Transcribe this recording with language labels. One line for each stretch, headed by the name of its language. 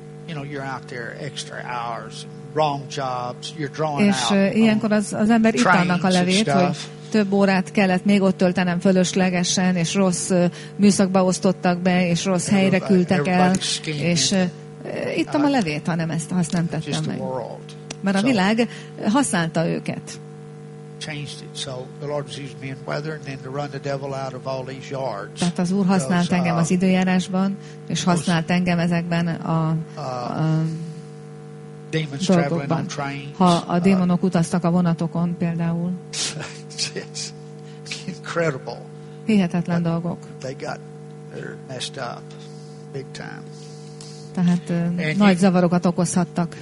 English: You know, you're out there extra hours, wrong jobs, you're drawing out.
Hungarian: És ilyenkor az ember itt annak a levét, hogy több órát kellett még ott töltenem fölöslegesen, és rossz műszakba osztottak be, és rossz helyre küldtek el, és ittam a levét, hanem ezt azt nem tettem meg. Mert a világ használta őket.
English: Changed it. So the Lord has used me in weather, and then to run the devil out of all these yards.
Hungarian: Tehát az Úr használt engem az időjárásban, és használt engem ezekben a
English: demons
Hungarian: dolgokban.
English: Traveling on trains,
Hungarian: ha a démonok utaztak a vonatokon, például.
English: It's incredible.
Hungarian: Hihetetlen dolgok.
English: They got messed up big time.
Hungarian: Tehát nagy zavarokat okozhattak.